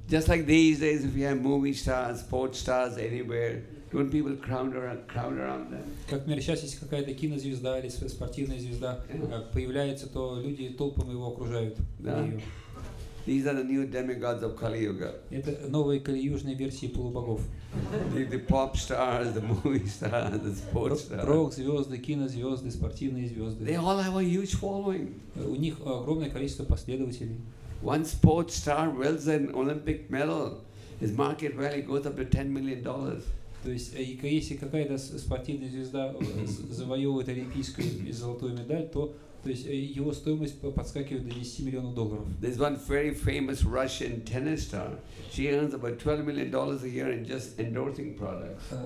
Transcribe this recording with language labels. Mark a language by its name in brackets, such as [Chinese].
[English] Just like these days, if you have movie stars, sports stars anywhere, wouldn't people crowd around them? [Russian] Как, например, сейчас, если какая-то кинозвезда или спортивная звезда появляется, то люди толпами его окружают. [English] These are the new demigods of Kali Yuga. [Russian] Это новые калиюжные версии полубогов. [English] The pop stars, the movie stars, the sports stars. [Russian] Рок-звезды, кинозвезды, спортивные звезды. [English] They all have a huge following. [Russian] У них огромное количество последователей. [English] One sports star wins an Olympic medal, his market value goes up to $10 million. [Russian] То есть, если какая-то спортивная звезда завоевывает олимпийскую и золотую медаль, то то есть его стоимость подскакивает до 10 миллионов долларов. [English] There's one very famous Russian tennis star. She earns about $12 million a year in just endorsing products.